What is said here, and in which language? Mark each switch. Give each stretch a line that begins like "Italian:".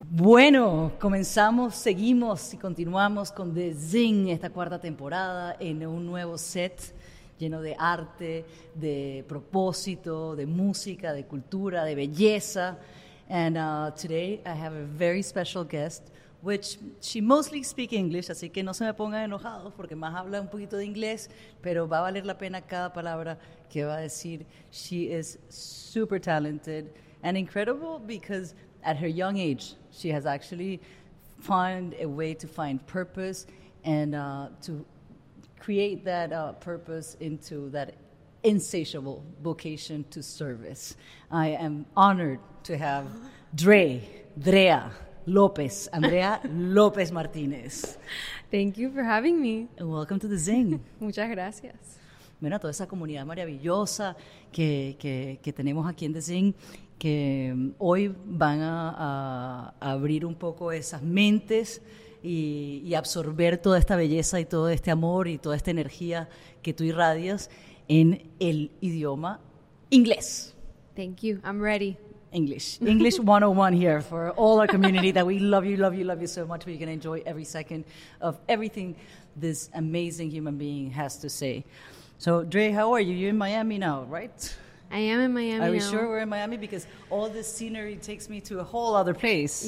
Spanish: Bueno, comenzamos, seguimos y continuamos con The Zing, esta cuarta temporada en un nuevo set lleno de arte, de propósito, de música, de cultura, de belleza.
English: And today I have a very special guest, which she mostly speaks English,
Spanish: así que no se me pongan enojados porque más habla un poquito de inglés, pero va a valer la pena cada palabra que va a decir.
English: She is super talented and incredible because at her young age, she has actually found a way to find purpose and to create that purpose into that insatiable vocation to service. I am honored to have Drea López, Andrea López Martínez. Thank you for having me. And welcome to The Zing.
Spanish: Muchas gracias. Mira, toda esa comunidad maravillosa que tenemos aquí en The Zing, que hoy van a abrir un poco esas mentes y absorber toda esta belleza y todo este amor y toda esta energía que tú irradias en el idioma inglés.
English: Thank you. I'm ready. English. English 101 here for all our community that we love you, love you, love you so much. We can enjoy every second of everything this amazing human being has to say. So, Dre, how are you? You're in Miami now, right? I am in Miami. Are we sure we're in Miami? Because all this scenery takes me to a whole other place.